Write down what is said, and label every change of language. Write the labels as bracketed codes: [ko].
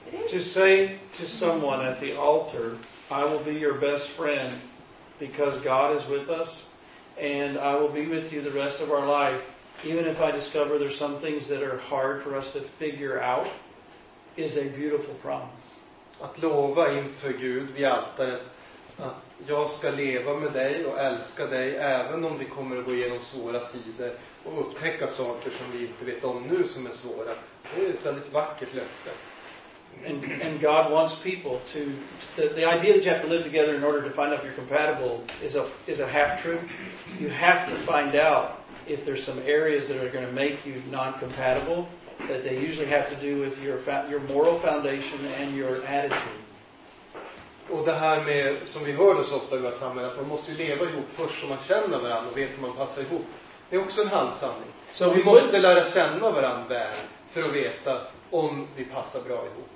[en] To say to someone at the altar, I will be your best friend because God is with us and I will be with you the rest of our life, even if I discover there's some things that are hard for us to figure out, is a beautiful promise. [sv] Att lova inför Gud vid altaret att jag ska leva med dig och älska dig även om vi kommer att gå igenom svåra tider och upptäcka saker som vi inte vet om nu som är svåra, det är ett väldigt vackert löfte. [en] And God wants people to the idea that you have to live together in order to find out if you're compatible is a half truth. You have to find out if there's some areas that are going to make you non-compatible, that they usually have to do with your moral foundation and your attitude. [sv] Och det här med som vi hör oss ofta i vårt samhälle, att man måste ju leva ihop först så man känner varandra och vet hur man passar ihop. Det är också en halvsanning. So vi måste lära känna varandra väl för att veta om vi passar bra ihop.